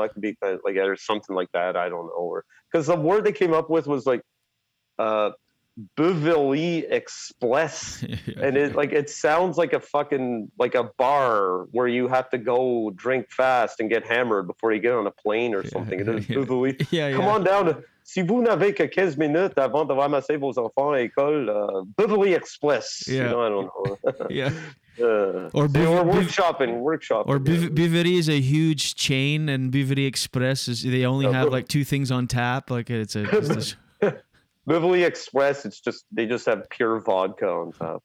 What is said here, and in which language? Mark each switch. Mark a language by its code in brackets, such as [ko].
[en] I could be like, or something like that. I don't know. Because the word they came up with was like, Beverly Express, and it sounds like a fucking like a bar where you have to go drink fast and get hammered before you get on a plane or something. Come on down. [fr] Si vous n'avez que 15 minutes avant de ramasser vos enfants à l'école, Beverly Express. [en] Yeah. You know, I don't know. Or workshopping. Or Beverly is a huge chain, and Beverly Express is, they only have like 2 things on tap. Like it's Beverly Express, it's just, they just have pure vodka on top.